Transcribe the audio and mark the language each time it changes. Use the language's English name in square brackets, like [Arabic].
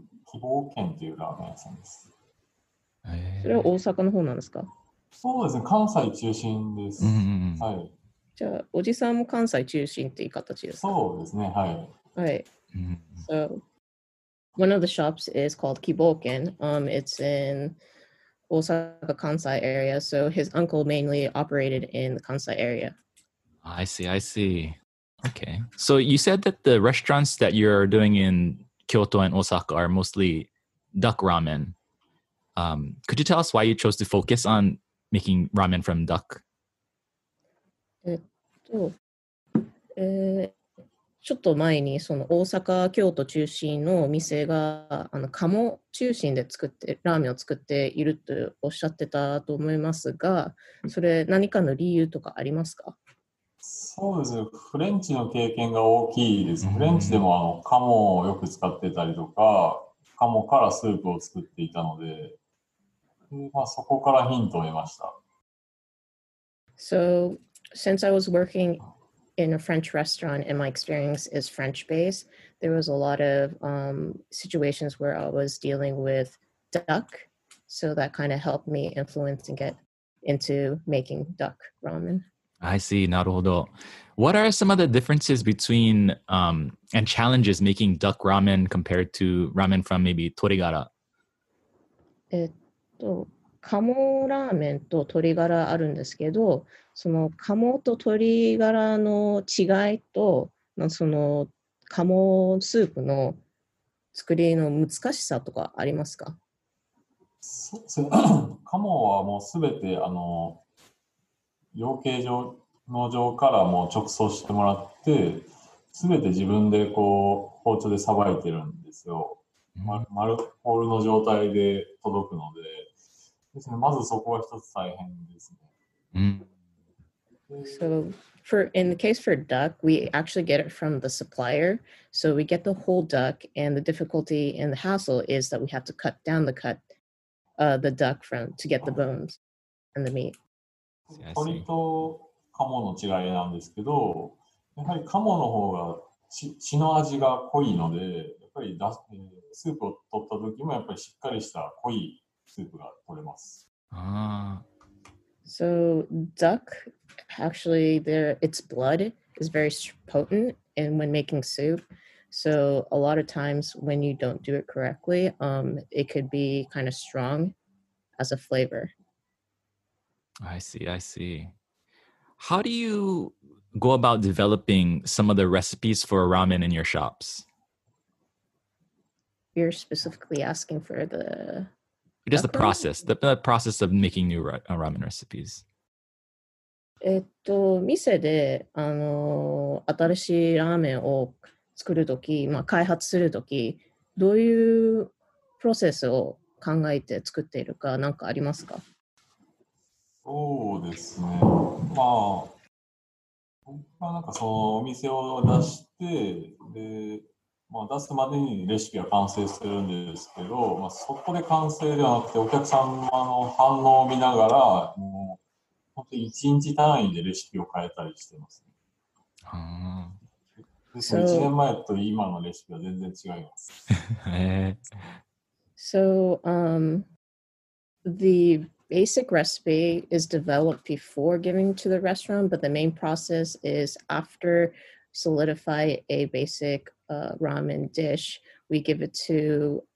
[Japanese] 希望軒というラーメン屋さんです。それは大阪の方なんですか？そうですね、関西中心です。うんうんうん、はい、じゃあ、おじさんも関西中心っていう形ですか？そうですね、はい。はい。うん、 [English] so,one of the shops is called Kiboken. It's in Osaka, Kansai area. So his uncle mainly operated in the Kansai area. I see. Okay. So you said that the restaurants that you're doing in Kyoto and Osaka are mostly duck ramen. Could you tell us why you chose to focus on making ramen from duck? [Japanese] ちょっと前にその大阪、京都中心のお店があの鴨中心で作ってラーメンを作っているとおっしゃってたと思いますが、それ何かの理由とかありますか？そうですね、フレンチの経験が大きいです。フレンチでもあの鴨をよく使ってたりとか、鴨からスープを作っていたので、まあ、そこからヒントを得ました。 [English] So, since I was workingin a French restaurant, and my experience is French-based, there was a lot of situations where I was dealing with duck, so that kind of helped me influence and get into making duck ramen. I see, [Japanese] なるほど。 [English] What are some of the differences between, and challenges making duck ramen compared to ramen from maybe 鶏ガラ？ [Japanese] 鴨ラーメンと鶏ガラあるんですけど、その鴨と鶏ガラの違いと、その鴨スープの作りの難しさとかありますか？鴨はもうすべてあの養鶏場の場からもう直送してもらって、すべて自分でこう包丁でさばいてるんですよ。丸ホールの状態で届くので。ですね、まずそこは一つ大変ですね。 [English] So, for, in the case for duck, we actually get it from the supplier. So we get the whole duck, and the difficulty and the hassle is that we have to cut down the cut, the duck from, to get the bones and the meat. [Japanese] 鶏と鴨の違いなんですけど、やはり鴨の方が血の味が濃いので、やっぱりスープを取った時もやっぱりしっかりした濃いスープが取れます。 [English] So duck, actually, there its blood is very potent, and when making soup, so a lot of times when you don't do it correctly, it could be kind of strong as a flavor. I see. How do you go about developing some of the recipes for ramen in your shops? You're specifically asking for the... Just the process, the process of making new ramen recipes. [Japanese] 店で新しいラーメンを作るとき、まあ、開発するとき、どういうプロセスを考えて作っているか、何かありますか？そうですね。まあ、なんかそのお店を出して、で、まあ、出すまでにレシピは完成するんですけど、まあ、そこで完成ではなくてお客様の反応を見ながら、もう本当に1日単位でレシピを変えたりしてます、ね。うん。 1年前と今のレシピは全然違います。 [English] So, the basic recipe is developed before giving to the restaurant, but the main process is after solidify a basic ramen dish, we give it to